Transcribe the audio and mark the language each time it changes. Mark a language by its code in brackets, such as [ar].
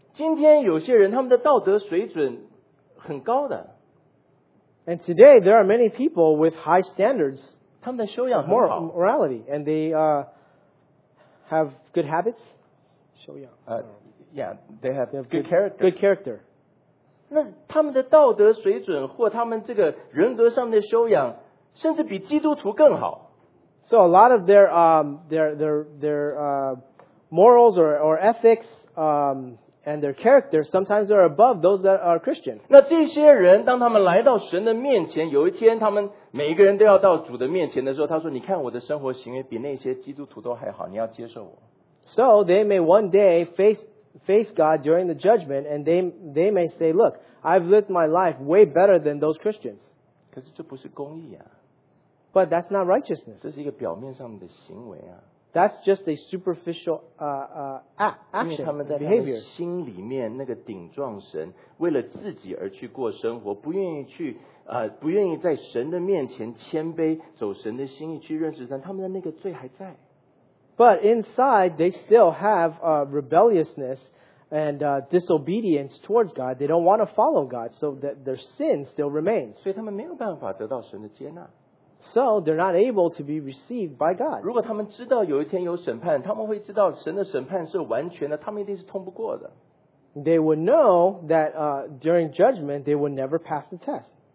[zh] 今天有些人他们的道德水准很高的。 [en] And today, there are many people with high standards of moral, morality. And they have good habits. They have good character. 那 [zh] 他们的道德水准或他们这个人格上的修养甚至比基督徒更好。 [en] So a lot of their morals or ethics... And their character sometimes are above those that are Christian. [zh] 那这些人当他们来到神的面前，有一天他们每一个人都要到主的面前的时候，他说：“你看我的生活行为比那些基督徒都还好，你要接受我。” [en] So they may one day face God during the judgment, and they may say, "Look, I've lived my life way better than those Christians." [zh] 可是这不是公义啊。 [en] But that's not righteousness. [zh] 这是一个表面上的行为啊。 [en] That's just a superficial action, behavior. [zh] 因为他们在他们心里面那个顶撞神，为了自己而去过生活，不愿意去不愿意在神的面前谦卑，走神的心意去认识神，他们的那个罪还在。 [en] But inside, they still have rebelliousness and disobedience towards God. They don't want to follow God, so that their sin still remains. [zh] 所以他们没有办法得到神的接纳。 [en] So they're not able to be received by God. [zh] 如果他们知道有一天有审判，他们会知道神的审判是完全的，他们一定是通不过的。 [en] They would know that during judgment they would never pass the test.